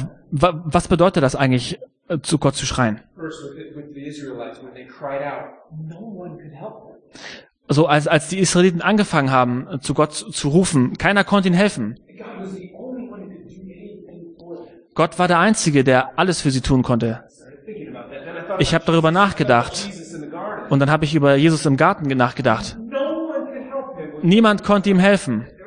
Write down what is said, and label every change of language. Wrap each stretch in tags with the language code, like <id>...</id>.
<de>Was bedeutet das eigentlich, zu Gott zu schreien?</de> <en>Israelites, when they cried out, no one could help them.</en> <de>So als die Israeliten angefangen haben, zu Gott zu rufen, keiner konnte ihnen helfen. Gott war der Einzige, der alles für sie tun konnte. Ich habe darüber nachgedacht. Und dann habe ich über Jesus im Garten nachgedacht. Niemand konnte ihm helfen.</de>